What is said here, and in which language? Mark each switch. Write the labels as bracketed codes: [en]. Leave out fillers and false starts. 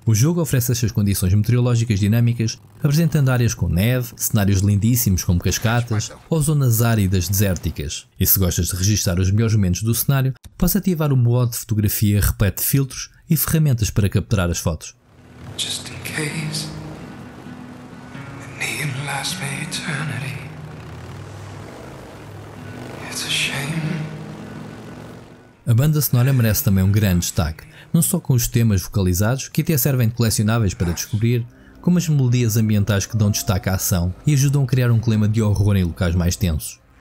[pt] O jogo oferece estas condições meteorológicas dinâmicas, apresentando áreas com neve, cenários lindíssimos como cascatas ou zonas áridas desérticas. E se gostas de registar os melhores momentos do cenário, podes ativar o modo de fotografia repleto de filtros e ferramentas para capturar as fotos. [en] Just in case the need lasts for eternity. It's a shame. [pt] A banda sonora merece também um grande destaque. Não só com os temas vocalizados, que até servem de colecionáveis para descobrir, como as melodias ambientais que dão destaque à ação e ajudam a criar um clima de horror em locais mais tensos.